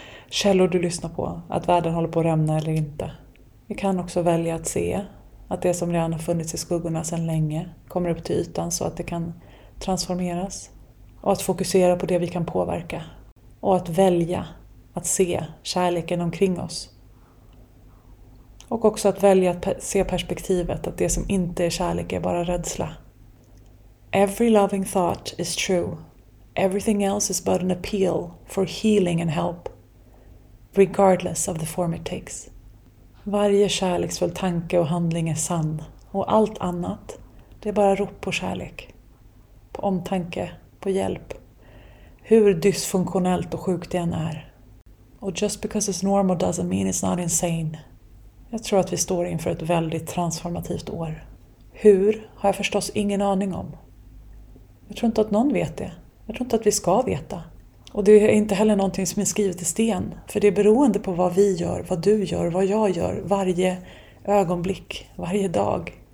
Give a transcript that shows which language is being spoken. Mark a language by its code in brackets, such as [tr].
[sv] källor du lyssnar på, att världen håller på att rämna eller inte. Vi kan också välja att se att det som redan har funnits i skuggorna sedan länge kommer upp till ytan så att det kan transformeras. Och att fokusera på det vi kan påverka. Och att välja att se kärleken omkring oss. Och också att välja att se perspektivet att det som inte är kärlek är bara rädsla. [en] Every loving thought is true. Everything else is but an appeal for healing and help, regardless of the form it takes. [sv] Varje kärleksfull tanke och handling är sann, och allt annat, det är bara rop på kärlek, på omtanke, på hjälp, hur dysfunktionellt och sjukt det än är. [en] Och just because it's normal doesn't mean it's not insane. [sv] Jag tror att vi står inför ett väldigt transformativt år. Hur har jag förstås ingen aning om. Jag tror inte att någon vet det. Jag tror inte att vi ska veta. Och det är inte heller någonting som är skrivet i sten. För det är beroende på vad vi gör, vad du gör, vad jag gör. Varje ögonblick, varje dag.